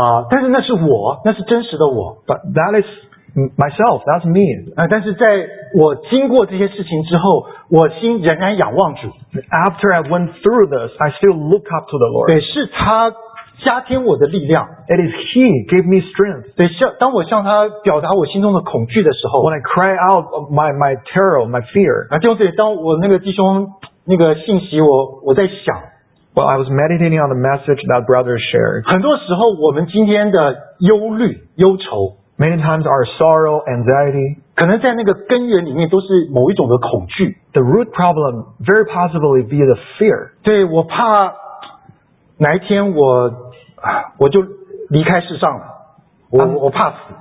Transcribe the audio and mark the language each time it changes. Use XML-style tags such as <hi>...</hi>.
<zh>但是那是我那是真实的我</zh> <en>But that is myself, that's me</en> <zh>但是在我经过这些事情之后我心仍然仰望主</zh> <en>After I went through this, I still look up to the Lord</en> <zh>对，是他加添我的力量。</zh> <en>It is He gave me strength.</en> <zh>对，当我向他表达我心中的恐惧的时候</zh> <en>，When I cry out my terror, my fear.</en> <zh>啊，就是当我那个弟兄那个信息我在想。</zh> <en>Well, I was meditating on the message that brother shared.</en> <zh>很多时候我们今天的忧虑忧愁</zh> <en>，Many times our sorrow, anxiety.</en> <zh>可能在那个根源里面都是某一种的恐惧。</zh> <en>The root problem very possibly be the fear.</en> <zh>对，我怕。哪一天我就离开世上了，我怕死。</zh>